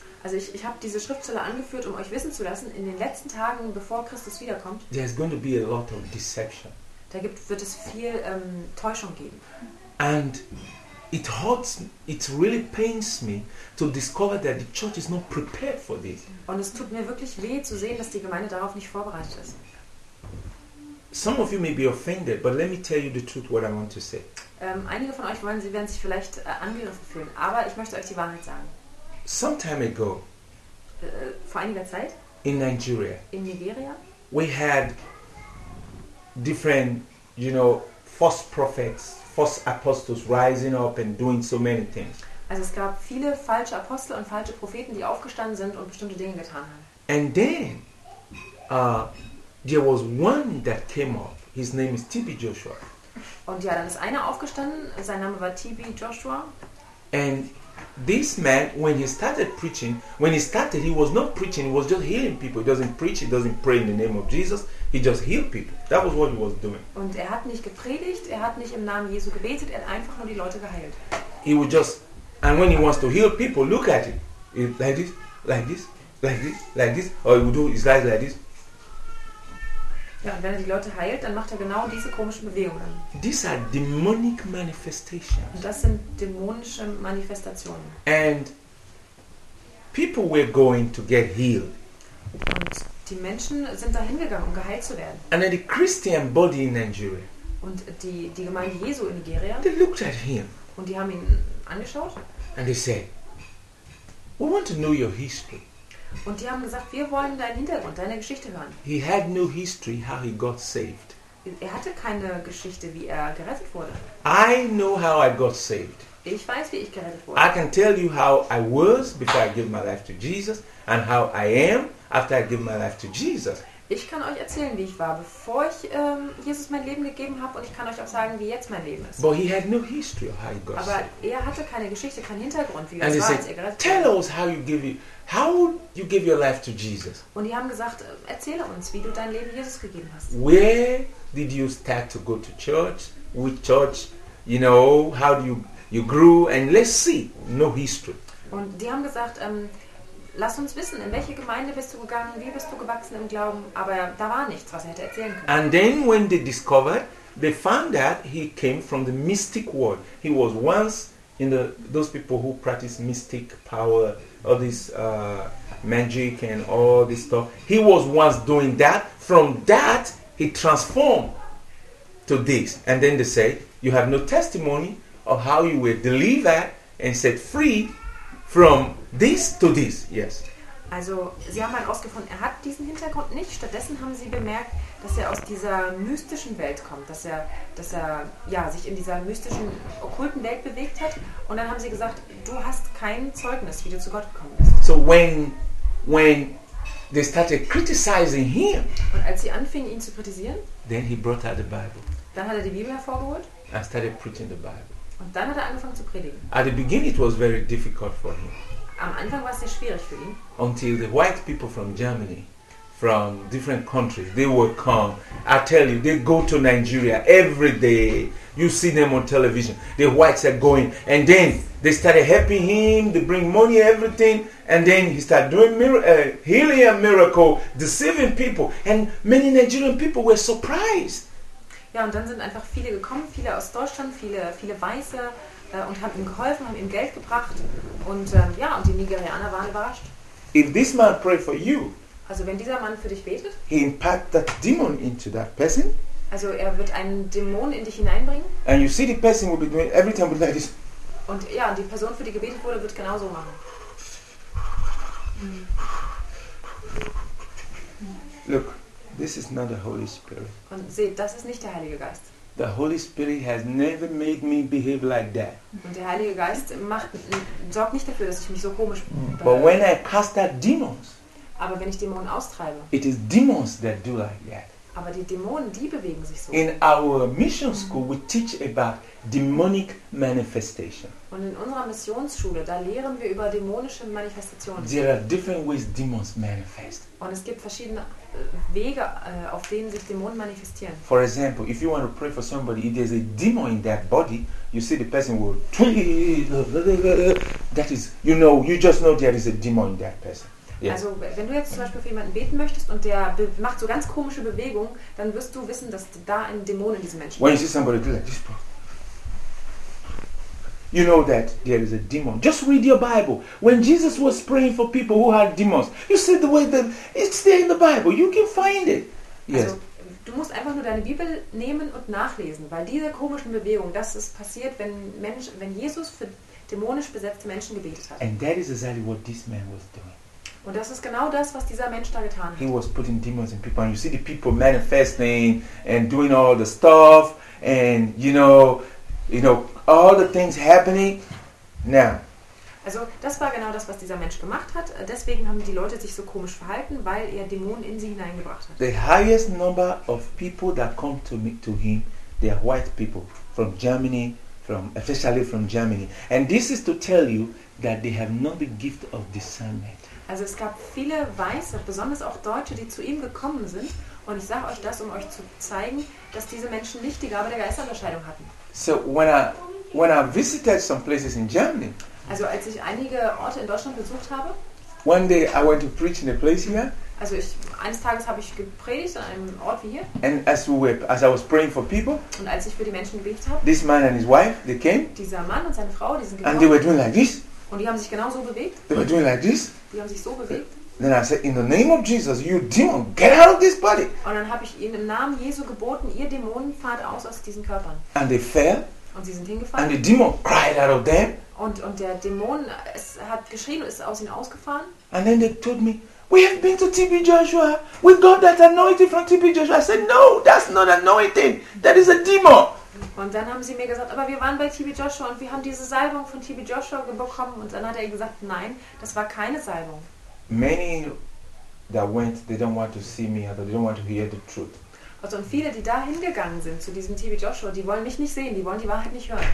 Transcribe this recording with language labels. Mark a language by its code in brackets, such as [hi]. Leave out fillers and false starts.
[de] Also ich habe diese Schriftstelle angeführt, um euch wissen zu lassen, in den letzten Tagen, bevor Christus wiederkommt, [en] there is going to be a lot of deception. [de] Da wird es viel Täuschung geben. [en] And it hurts, it really pains me to discover that the church is not prepared for this. [de] Und es tut mir wirklich weh zu sehen, dass die Gemeinde darauf nicht vorbereitet ist. [en] Some of you may be offended, but let me tell you the truth what I want to say. [de] Einige von euch wollen, sie werden sich vielleicht angegriffen fühlen, aber ich möchte euch die Wahrheit sagen. [en] Some time ago, [de] vor einiger Zeit, [en] in Nigeria, we had different, you know, false prophets, false apostles rising up and doing so many things. [de] Also es gab viele falsche Apostel und falsche Propheten, die aufgestanden sind und bestimmte Dinge getan haben. [en] And then, there was one that came up. His name is T.B. Joshua. [de] Und ja, dann ist einer aufgestanden. Sein Name war T.B. Joshua. [en] And this man, when he started preaching, he was not preaching, he was just healing people. He doesn't preach, he doesn't pray in the name of Jesus, he just healed people. That was what he was doing. [de] Und er hat nicht gepredigt, er hat nicht im Namen Jesu gebetet, er hat einfach nur die Leute geheilt. [en] He would just, and when he wants to heal people, look at him. Like this, like this, like this, like this. Or he would do his life like this. [de] Ja, und wenn er die Leute heilt, dann macht er genau diese komischen Bewegungen. [en] These are demonic manifestations. [de] Und das sind dämonische Manifestationen. [en] And people were going to get healed. [de] Und die Menschen sind da hingegangen, um geheilt zu werden. [en] And the Christian body in Nigeria. [de] Und die Gemeinde Jesu in Nigeria. [en] They looked at him. [de] Und die haben ihn angeschaut. [en] And they said, "We want to know your history." [de] Und die haben gesagt, wir wollen deinen Hintergrund, deine Geschichte hören. [en] He had no history how he got saved. [de] Er hatte keine Geschichte, wie er gerettet wurde. [en] I know how I got saved. [de] Ich weiß, wie ich gerettet wurde. [en] I can tell you how I was before I gave my life to Jesus and how I am after I gave my life to Jesus. [de] Ich kann euch erzählen, wie ich war, bevor ich Jesus mein Leben gegeben habe, und ich kann euch auch sagen, wie jetzt mein Leben ist. [en] But he had no history of how he got [de] Aber [en] saved. [de] Er hatte keine Geschichte, keinen Hintergrund, wie [en] and [de] es war, [en] said, [de] als er gerettet [en] tell [de] wurde. [en] Us how you give you How you give your life to Jesus? [de] Und die haben gesagt, erzähle uns, wie du dein Leben Jesus gegeben hast. [en] Where did you start to go to church? Which church? You know, how do you grew? And let's see, no history. [de] Und die haben gesagt, lass uns wissen, in welche Gemeinde bist du gegangen? Wie bist du gewachsen im Glauben? Aber da war nichts, was er hätte erzählen können. [en] And then when they discovered, they found that he came from the mystic world. He was once in the those people who practice mystic power. All this magic and all this stuff. He was once doing that. From that, he transformed to this. And then they say, you have no testimony of how you were delivered and set free from this to this. Yes. [de] Also, sie haben herausgefunden, er hat diesen Hintergrund nicht. Stattdessen haben sie bemerkt, dass er aus dieser mystischen Welt kommt, dass er ja, sich in dieser mystischen, okkulten Welt bewegt hat. Und dann haben sie gesagt, du hast kein Zeugnis, wie du zu Gott gekommen bist. [en] So when they started criticizing him, [de] und als sie anfingen, ihn zu kritisieren, [en] then he brought out the Bible. [de] Dann hat er die Bibel hervorgeholt [en] and started preaching the Bible. [de] Und dann hat er angefangen zu predigen. [en] At the beginning it was very difficult for him. [de] Am Anfang war es sehr schwierig für ihn. [en] Until the white people from Germany, from different countries, they will come. I tell you, they go to Nigeria every day. You see them on television. The whites are going. And then they started helping him. They bring money, everything. And then he started doing healing a miracle, deceiving people. And many Nigerian people were surprised. [de] Ja, und dann sind einfach viele gekommen, viele aus Deutschland, viele Weiße, und haben ihm geholfen, haben ihm Geld gebracht. Und ja, und die Nigerianer waren überrascht. [en] If this man pray for you, [de] also wenn dieser Mann für dich betet, [en] he impact that demon into that person. [de] Also er wird einen Dämon in dich hineinbringen. [en] And you see the person will be doing every time like this. [de] Und ja, die Person, für die gebetet wurde, wird genauso machen. [en] Look, this is not the Holy Spirit. [de] Und seht, das ist nicht der Heilige Geist. [en] The Holy Spirit has never made me behave like that. [de] Und der Heilige Geist sorgt nicht dafür, dass ich mich so komisch behalte. [en] But when I cast out demons. [de] Aber wenn ich Dämonen austreibe. [en] It is demons that do like that. [de] Aber die Dämonen, die bewegen sich so. [en] In our mission school we teach about demonic manifestation. [de] Und in unserer Missionsschule, da lehren wir über dämonische Manifestationen. [en] There are different ways demons manifest. [de] Und es gibt verschiedene Wege, auf denen sich Dämonen manifestieren. [en] For example, if you want to pray for somebody, if there's a demon in that body, you see the person will twinkle. That is, you know, you just know there is a demon in that person. Yeah. [de] Also wenn du jetzt zum Beispiel für jemanden beten möchtest und der macht so ganz komische Bewegungen, dann wirst du wissen, dass da ein Dämon in diesem Menschen ist. [en] When you see somebody do like this, you know that there is a demon. Just read your Bible. When Jesus was praying for people who had demons, you see the way that it's there in the Bible. You can find it. Yes. [de] Also du musst einfach nur deine Bibel nehmen und nachlesen, weil diese komischen Bewegungen, das ist passiert, wenn Mensch, wenn Jesus für dämonisch besetzte Menschen gebetet hat. [en] And that is exactly what this man was doing. [de] Und das ist genau das, was dieser Mensch da getan hat. [en] He was putting demons in people, and you see the people manifesting and doing all the stuff, and you know, all the things happening. Now. [de] Also das war genau das, was dieser Mensch gemacht hat. Deswegen haben die Leute sich so komisch verhalten, weil er Dämonen in sie hineingebracht hat. [en] The highest number of people that come to meet to him, they are white people from Germany, from especially from Germany, and this is to tell you that they have not the gift of discernment. [de] Also es gab viele Weiße, besonders auch Deutsche, die zu ihm gekommen sind. Und ich sage euch das, um euch zu zeigen, dass diese Menschen nicht die Gabe der Geisterunterscheidung hatten. [en] So when I visited some places in Germany. [de] Also als ich einige Orte in Deutschland besucht habe. [en] One day I went to preach in a place here. [de] Also ich, eines Tages habe ich gepredigt an einem Ort wie hier. [en] And as I was praying for people. [de] Und als ich für die Menschen gebetet habe. [en] This man and his wife, they came. [de] Dieser Mann und seine Frau, die sind gekommen. [en] And they were doing like this. [de] Und die haben sich genau so bewegt. [en] They were doing like this. [de] Die haben sich so bewegt. [en] Then I said, in the name of Jesus, you demon, get out of this body. [de] Und dann habe ich ihnen im Namen Jesu geboten, ihr Dämonen, fahrt aus diesen Körpern. [en] And they fell. [de] Und sie sind hingefallen. [en] And the demon cried out of them. [de] Und der Dämon, es hat geschrien und ist aus ihnen ausgefahren. [en] And then they told me, we have been to T.B. Joshua. We got that anointing from T.B. Joshua. I said, no, that's not anointing. That is a demon. [de] Und dann haben sie mir gesagt, aber wir waren bei T.B. Joshua und wir haben diese Salbung von T.B. Joshua bekommen. Und dann hat er gesagt, nein, das war keine Salbung. [en] Many that went, they don't want to see me, they don't want to hear the truth. [de] Also und viele, die da hingegangen sind zu diesem T.B. Joshua, die wollen mich nicht sehen, die wollen die Wahrheit nicht hören.